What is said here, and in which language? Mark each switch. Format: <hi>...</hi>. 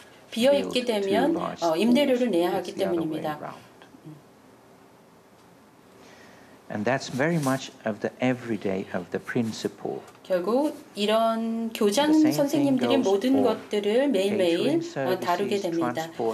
<ko>비어있게 되면 임대료를 내야 하기 때문입니다.</ko> <en>And that's very much of the everyday of the principal.</en> <ko>결국 이런 교장 선생님들이 모든 것들을 매일매일 다루게 됩니다.</ko>